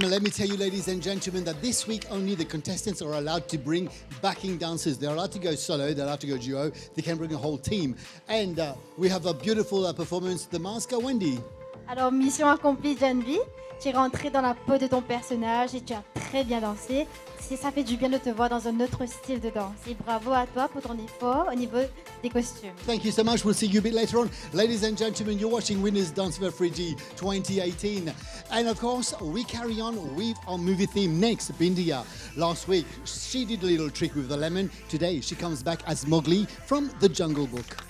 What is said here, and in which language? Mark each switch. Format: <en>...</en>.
<en>Let me tell you, ladies and gentlemen, that this week only the contestants are allowed to bring backing dancers. They're allowed to go solo, they're allowed to go duo, they can bring a whole team. And we have a beautiful performance, The Masker, Wendy.</en> <fr>Alors, mission accomplie, Jenny. Tu es rentrée dans la peau de ton personnage et tu as très bien dansé. Ça fait du bien de te voir dans un autre style de danse. Et bravo à toi pour ton effort au niveau des costumes.</fr> <en>Thank you so much. We'll see you a bit later on. Ladies and gentlemen, you're watching Winners Dance for 3G 2018. And of course, we carry on with our movie theme next. Bindiya. Last week, she did a little trick with the lemon. Today, she comes back as Mowgli from The Jungle Book.</en>